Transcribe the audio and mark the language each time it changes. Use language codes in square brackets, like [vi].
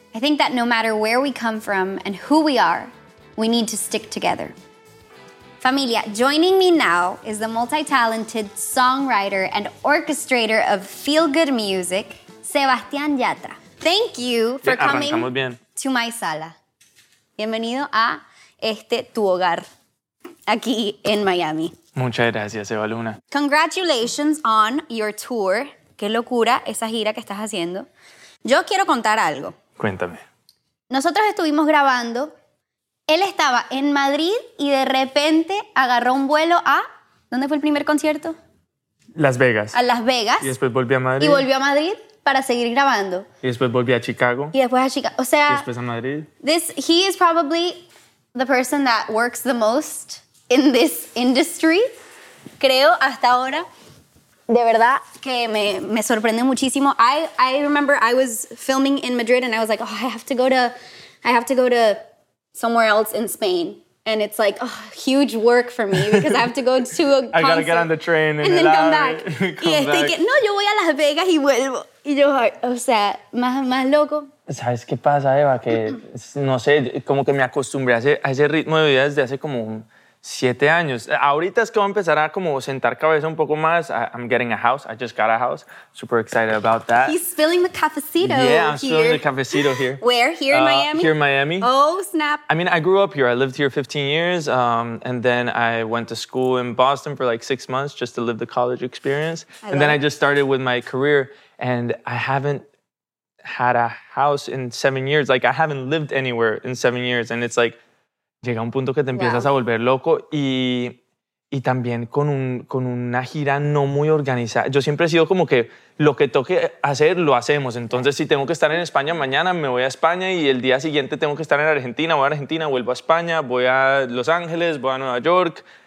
[en] I think that no matter where we come from and who we are, we need to stick together. Familia, joining me now is the multi-talented songwriter and orchestrator of feel-good music, Sebastián Yatra. Thank you for coming to my sala. [es] Bienvenido a este tu hogar, aquí en Miami. Muchas gracias, Eva Luna. [en] Congratulations on your tour. [es] Qué locura esa gira que estás haciendo. Yo quiero contar algo. Cuéntame. Nosotros estuvimos grabando, él estaba en Madrid y de repente agarró un vuelo a... ¿Dónde fue el primer concierto? Las Vegas. A Las Vegas. Y después volvió a Madrid. Y volvió a Madrid para seguir grabando. Y después volvió a Chicago. Y después a Chicago. O sea... Y después a Madrid. [en] He is probably the person that works the most in this industry, [es] creo, hasta ahora. De verdad que me sorprende muchísimo. [en] I remember I was filming in Madrid and I was like, oh, I have to go to somewhere else in Spain. And it's like, oh, huge work for me because I have to go to a concert. I gotta get on the train and then come back. [es] No, yo voy a Las Vegas y vuelvo. Y yo, o sea, más loco. ¿Sabes qué pasa, Eva? Que no sé, como que me acostumbré a ese ritmo de vida desde hace como... 7 años. Ahorita es que voy a empezar a como sentar cabeza un poco más. [en] I'm getting a house. I just got a house. Super excited about that. He's spilling the cafecito. Yeah, I'm spilling the cafecito here. Where? Here in Miami? Here in Miami. Oh, snap. I mean, I grew up here. I lived here 15 years. And then I went to school in Boston for like 6 months just to live the college experience. And then I just started with my career. And I haven't had a house in 7 years. Like, I haven't lived anywhere in 7 years. And it's like, [es] llega un punto que te empiezas a volver loco y también con una gira no muy organizada. Yo siempre he sido como que lo que toque hacer, lo hacemos. Entonces, si tengo que estar en España mañana, me voy a España y el día siguiente tengo que estar en Argentina, voy a Argentina, vuelvo a España, voy a Los Ángeles, voy a Nueva York.